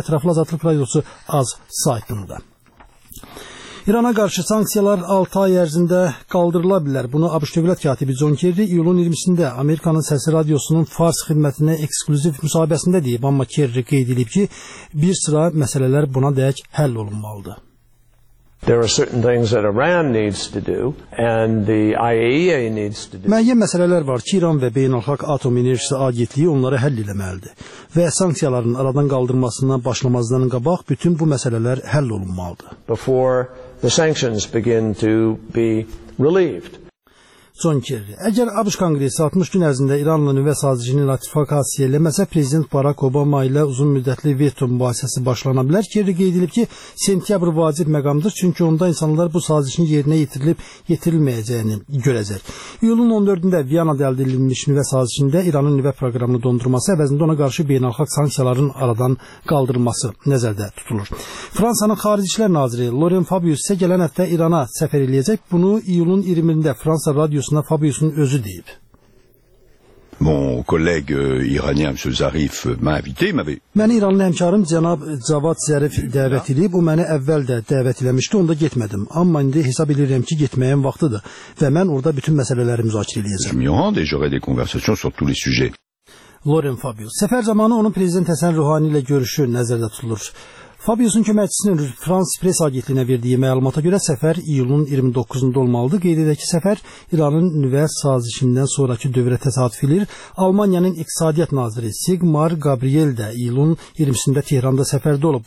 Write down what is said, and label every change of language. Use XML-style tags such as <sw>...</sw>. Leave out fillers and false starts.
<az>Ətraflı Azadlıq Radiosu az saytında. İrana qarşı sanksiyalar 6 ay ərzində qaldırıla bilər. Bunu ABŞ Dövlət Katibi John Kerry iyulun 20-sində Amerikanın Səsi Radiosunun Fars xidmətinə eksklüziv müsahibəsində deyib, amma Kerry qeyd edib ki, bir sıra məsələlər buna dəyək həll olunmalıdır.</az> <en>There are certain things that Iran needs to do and the IAEA needs to do.</en> <az>Müəyyən məsələlər var ki, İran və Beynəlxalq Atom Enerjisi Agentliyi onları həll etməlidir. Və sanksiyaların aradan qaldırılmasından başlamazdan qabaq bütün bu məsələlər həll olunmalıdır.</az> <en>Before the sanctions begin to be relieved.</en> <az>Son kere, əgər ABŞ Kongresi 60 gün ərzində İranlı nüvə sazicini ratifikasiya eləməsə, Prezident Barack Obama ilə uzun müddətli veto mübahisəsi başlana bilər. Kerry qeyd edilib ki, sentyabr vacib məqamdır, çünki onda insanlar bu sazicini yerinə yetirilib yetirilməyəcəyini görəcək. İyulun 14-də Viyana'da əldə edilmiş nüvə sazicində İranın nüvə proqramını dondurması əvəzində ona qarşı beynəlxalq sanksiyaların aradan qaldırılması nəzərdə tutulur. Fransanın xarici işlər naziri Laurent Fabius isə gələn həftə İrana səfər eləyəcək. Bunu iyulun 20-də Fransa radio Yusuf Fabius'un özü deyib.</az> <fr>Mon collègue iranien Monsieur Zarif m'a invité, m'avait.</fr> <az>Məni İranlı həmkarım cənab Cavad Zarif dəvət edib, o məni əvvəl də dəvət eləmişdi, onda getmədim. Amma indi hesab edirəm ki, getməyin vaxtıdır və mən orada bütün məsələləri müzakirə edəcəm.</az> <fr>Yohan, j'aurai des conversations sur tous les sujets. Laurent Fabius.</fr> <az>Səfər zamanı onun prezident Həsən Ruhani ilə görüşü nəzərdə tutulur. Fabius'un köməkçisinin Frans Pres agentliyinə verdiyi məlumata görə səfər iyulun 29-unda olmalıdır. Qeyd edək ki, səfər İranın nüvə sazişindən sonrakı dövrə təsadüf edir. Almaniyanın iqtisadiyyat naziri Sigmar Gabriel də iyulun 20-sində Tehranda səfərdə olub.</az>